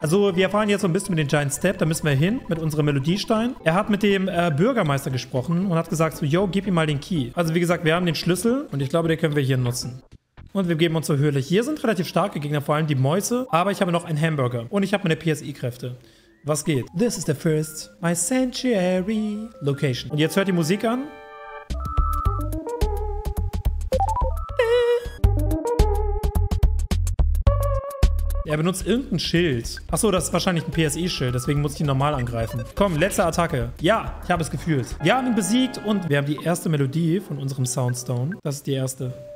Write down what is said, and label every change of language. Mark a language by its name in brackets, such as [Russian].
[German] Also, wir erfahren jetzt so ein bisschen mit dem Giant Step. Da müssen wir hin mit unserem Melodiestein. Er hat mit dem Bürgermeister gesprochen und hat gesagt so, yo, gib ihm mal den Key. Also, wie gesagt, wir haben den Schlüssel und ich glaube, den können wir hier nutzen. Und wir geben uns zur Höhle. Hier sind relativ starke Gegner, vor allem die Mäuse. Aber ich habe noch einen Hamburger und ich habe meine PSI-Kräfte. Was geht? [English] This is the first, my sanctuary location. [German] Und jetzt hört die Musik an. Er benutzt irgendein Schild. Achso, das ist wahrscheinlich ein PSI-Schild, deswegen muss ich ihn normal angreifen. Komm, letzte Attacke. Ja, ich habe es gefühlt. Wir haben ihn besiegt und wir haben die erste Melodie von unserem Soundstone. Das ist die erste.